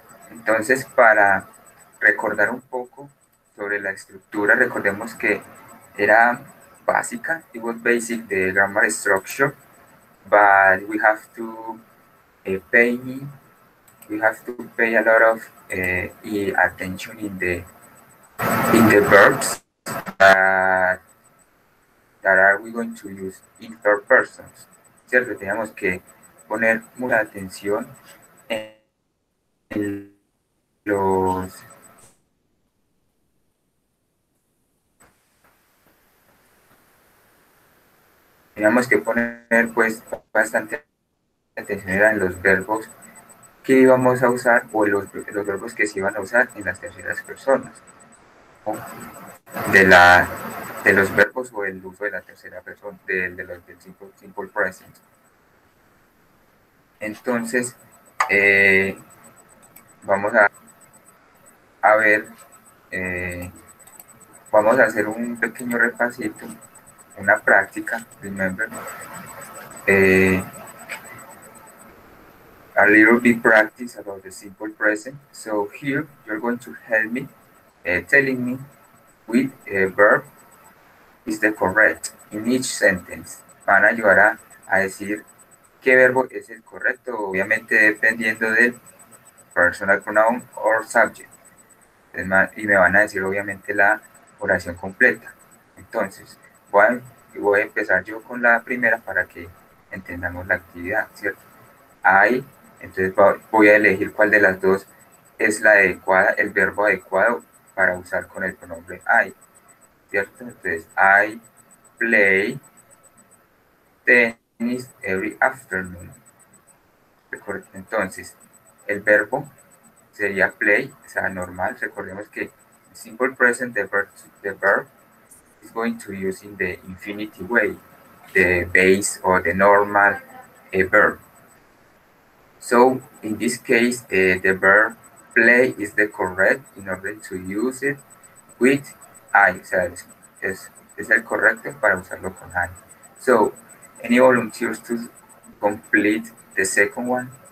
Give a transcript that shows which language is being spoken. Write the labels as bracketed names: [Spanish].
[Spanish] Entonces, para recordar un poco sobre la estructura, recordemos que era básica, [English] it was basic, the grammar structure, but we have to pay a lot of attention in the verbs that are we going to use in third persons, [Spanish] ¿cierto? Tenemos que poner mucha atención en los Teníamos que poner, pues, bastante atención en los verbos que íbamos a usar o los verbos que se iban a usar en las terceras personas. ¿No? De los verbos o el uso de la tercera persona, del simple present. Entonces, vamos a hacer un pequeño repasito. Una práctica, [English] remember, a little bit practice about the simple present. So here you're going to help me, telling me which verb is the correct in each sentence. [Spanish] Van a ayudar a decir qué verbo es el correcto, obviamente dependiendo del [English] personal pronoun or subject. [Spanish] Y me van a decir obviamente la oración completa. Entonces, voy a empezar yo con la primera para que entendamos la actividad, ¿cierto? Ahí, entonces voy a elegir cuál de las dos es la adecuada, el verbo adecuado para usar con el pronombre I, ¿cierto? Entonces, [English] I play tennis every afternoon. [Spanish] Entonces, el verbo sería play, o sea, normal. Recordemos que [English] simple present, the verb, going to use in the infinity way, the base or the normal verb. So in this case, the verb play is the correct in order to use it with I. [Spanish] So es el correcto para usarlo con I. [English] So any volunteers to complete the second one?